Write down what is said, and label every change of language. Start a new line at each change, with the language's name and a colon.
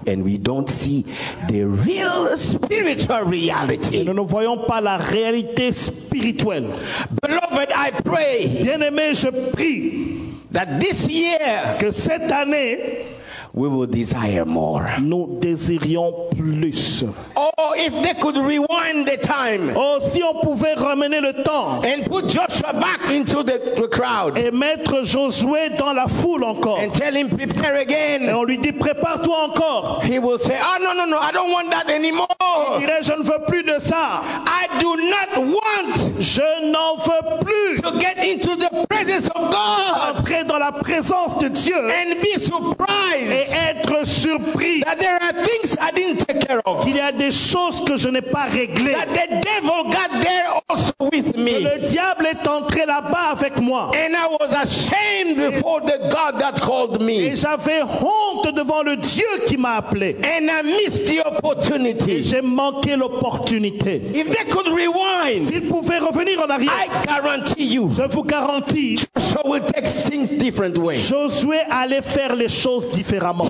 English: And we don't see the real spiritual reality.
French: Et nous ne voyons pas la réalité spirituelle.
English: Beloved, I pray.
French: Bien-aimé, je prie
English: that this year,
French: que cette année,
English: we will desire more.
French: Nous désirions plus.
English: Oh, if they could rewind the time.
French: Oh, si on pouvait ramener le temps.
English: And put Joshua back into the crowd.
French: Et mettre Josué dans la foule encore.
English: And tell him prepare again.
French: Et on lui dit prépare-toi encore.
English: He will say, oh no no no, I don't want that anymore.
French: Il dirait je ne veux plus de ça.
English: I do not want.
French: Je n'en veux plus.
English: To get into the presence of God.
French: Entrer dans la présence de Dieu.
English: And be surprised.
French: Et être surpris
English: that there are things I didn't take care of.
French: Qu'il y a des choses que je n'ai pas réglées.
English: That the devil got there also with me.
French: Que le diable est entré là-bas avec moi.
English: And I was ashamed before the God that called me.
French: Et j'avais honte devant le Dieu qui m'a appelé.
English: And I missed the opportunity.
French: Et j'ai manqué l'opportunité.
English: If they could rewind,
French: s'ils pouvaient revenir en arrière,
English: I guarantee you,
French: je vous garantis,
English: Joshua will take things different way.
French: Josué allait faire les choses différemment.